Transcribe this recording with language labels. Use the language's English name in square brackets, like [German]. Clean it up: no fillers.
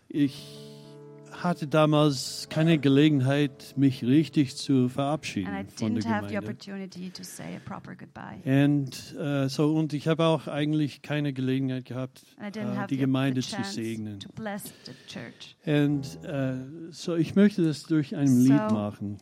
[German] Ich hatte damals keine Gelegenheit, mich richtig zu verabschieden [English] and I didn't [German] von der Gemeinde. [English] Have the opportunity to say a proper goodbye. And, [German] so, und ich habe auch eigentlich keine Gelegenheit gehabt, die Gemeinde zu segnen. [English] To bless the church. And, [German] so ich möchte das durch ein Lied machen.